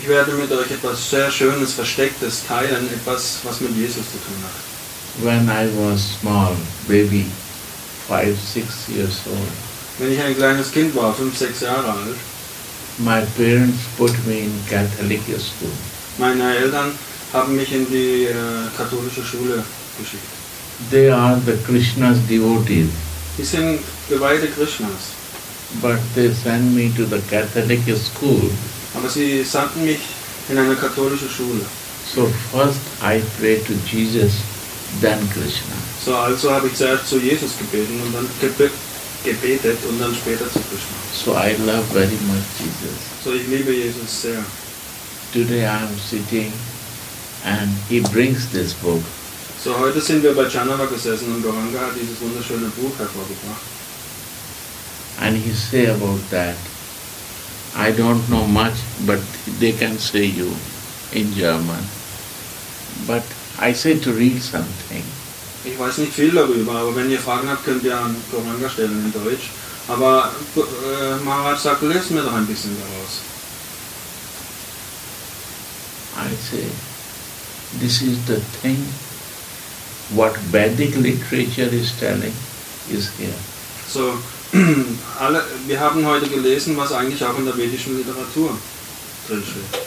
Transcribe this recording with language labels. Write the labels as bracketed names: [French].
[German] Ich werde mit euch etwas sehr Schönes, Verstecktes teilen, etwas, was mit Jesus zu tun hat. [English] When I was small, baby, 5-6 years old. [German] Wenn ich ein kleines Kind war, 5-6 Jahre alt, [English] my parents put me in Catholic school. [German] Meine Eltern haben mich in die katholische Schule geschickt. [English] They are the Krishna's devotees. [German] Sie sind geweihte Krishnas. [English] But they sent me to the Catholic school. [German] Aber sie sandten mich in eine katholische Schule. [English] So first I prayed to Jesus, then Krishna. [German] So also habe ich zuerst zu Jesus gebeten und dann gebetet und dann später zu Krishna. [English] So I love very much Jesus. [German] So ich liebe Jesus sehr. [English] Today I am sitting and he brings this book. [German] So heute sind wir bei Janava gesessen und Goranga hat dieses wunderschöne Buch hervorgebracht. [English] And he say about that, I don't know much, but they can say you in German. But I say to read something. [German] Ich weiß nicht viel darüber, aber wenn ihr Fragen habt, könnt ihr an Goranga stellen in Deutsch. Aber Maharaj sagt, lest mir doch ein bisschen daraus. [English] I say, this is the thing, what Vedic literature is telling, is here. [German] So, wir haben heute gelesen, was eigentlich auch in der vedischen Literatur drinsteht.